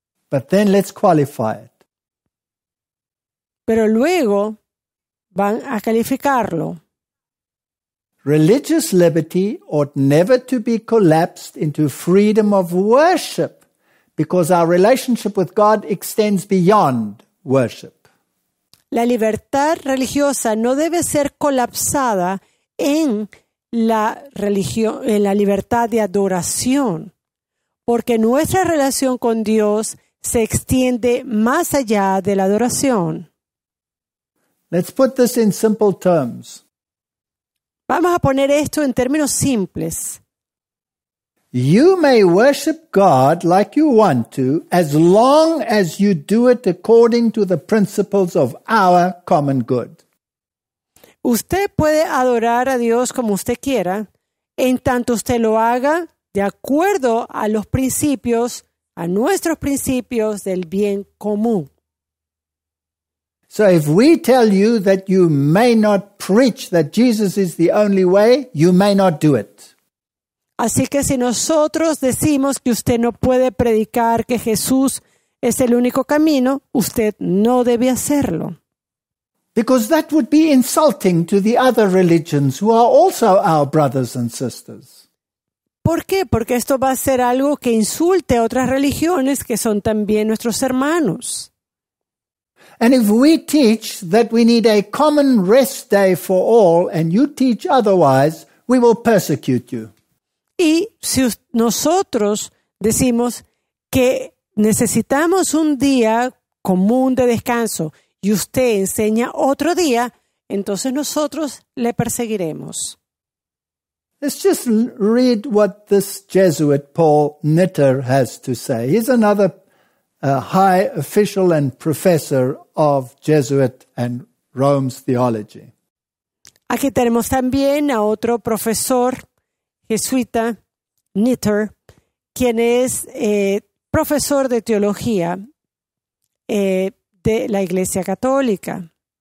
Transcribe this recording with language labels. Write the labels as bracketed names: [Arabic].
[English] But then let's qualify it. [Spanish] Pero luego van a calificarlo. [English] Religious liberty ought never to be collapsed into freedom of worship because our relationship with God extends beyond worship. [Spanish] La libertad religiosa no debe ser colapsada en la religión, en la libertad de adoración, porque nuestra relación con Dios se extiende más allá de la adoración. [English] Let's put this in simple terms. [Spanish] Vamos a poner esto en términos simples. [English] You may worship God like you want to, as long as you do it according to the principles of our common good. [Spanish] Usted puede adorar a Dios como usted quiera, en tanto usted lo haga de acuerdo a los principios, a nuestros principios del bien común. [English] So if we tell you that you may not preach that Jesus is the only way, you may not do it. [Spanish] Así que si nosotros decimos que usted no puede predicar que Jesús es el único camino, usted no debe hacerlo. [English] Because that would be insulting to the other religions who are also our brothers and sisters. [Spanish] ¿Por qué? Porque esto va a ser algo que insulte a otras religiones que son también nuestros hermanos. [English] And if we teach that we need a common rest day for all and you teach otherwise, we will persecute you. [Spanish] Y si nosotros decimos que necesitamos un día común de descanso y usted enseña otro día, entonces nosotros le perseguiremos. [English] Let's just read what this Jesuit Paul Nitter has to say. He's another high official and professor of Jesuit and Rome's theology. [Spanish] Aquí tenemos también a otro profesor jesuita, Nitter, quien es profesor de teología de la Iglesia Católica.